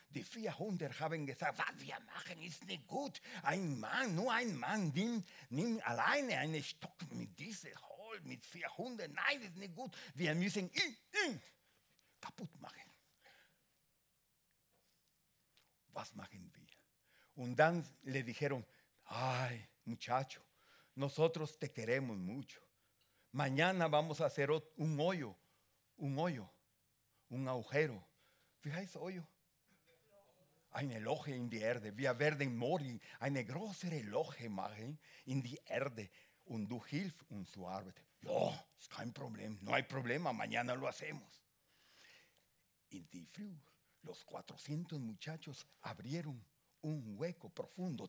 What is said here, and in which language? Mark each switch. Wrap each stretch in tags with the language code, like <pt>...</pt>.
<de>Die 400 haben gesagt, was wir machen, ist nicht gut. Ein Mann, nur ein Mann, nimm alleine einen Stock mit dieser Hose. Mit 400, nein, ist nicht gut. Wir müssen ihn kaputt machen. Was machen wir? Und dann</de> <es>le dijeron, ay, muchacho, nosotros te queremos mucho. Mañana vamos a hacer un hoyo, un agujero.</es> <de>Wie heißt hoyo? Ein Loch in die Erde. Wir werden morgen eine größere Loch machen in die Erde. Und du hilfst uns zu arbeiten. Ja, ist kein Problem.</de> <es>No hay problema. Mañana lo hacemos.</es> <de>In die Früh,</de> <es>los 400 muchachos abrieron un hueco profundo.</es>